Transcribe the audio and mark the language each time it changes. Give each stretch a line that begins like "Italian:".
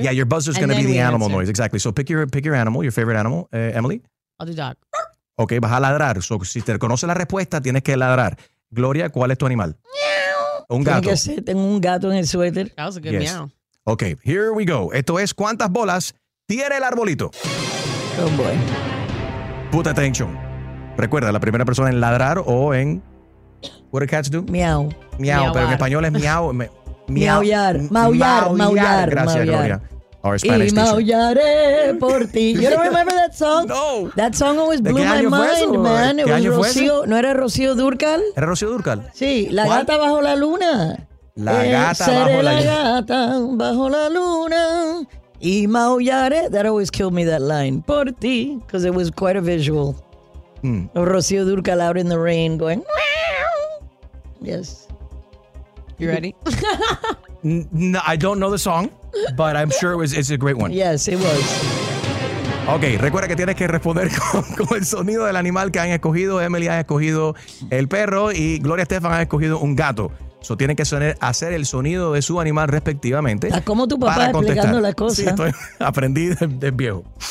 English: Yeah, your buzzer is going to be the animal answer. Noise. Exactly. So pick your animal, your favorite animal, Emily. I'll do dog.
Spanish: Okay, vas a ladrar. So si te conoces la respuesta, tienes que ladrar. Gloria, ¿cuál es tu animal? Meow. Un gato. Tengo un gato en el suéter.
English: That was a good yes. Meow. Okay, here we go.
Spanish: Esto es ¿Cuántas bolas tiene el arbolito?
English: Oh, boy. Put attention.
Spanish: Recuerda, la primera persona en ladrar o en...
English: What do cats do? Meow.
Spanish: Meow, pero en español es meow. Meowyar. Maullar. Maullar.
English: Gracias, Gloria. Our Spanish teacher.
Spanish: Y maullaré por ti.
English: You don't remember that song? No. That song always blew my mind, man.
Spanish: ¿Qué año fue ese? ¿No era Rocío Dúrcal? ¿Era Rocío Dúrcal? Sí, La gata bajo la luna. La gata bajo la luna. Seré la gata bajo la luna y maullaré.
English: That always killed me, that line.
Spanish: Por ti.
English: Because it was quite a visual. Mm. Rocío Dúrcal out in the rain going, meow. Yes. You ready? No, I don't know the song, but I'm sure it's a great one. Yes, it was.
Spanish: Okay, recuerda que tienes que responder con el sonido del animal que han escogido. Emily ha escogido el perro y Gloria Estefan ha escogido un gato. So, tienen que hacer el sonido de su animal respectivamente. Está como tu papá explicando las cosas. Sí, estoy aprendí de viejo.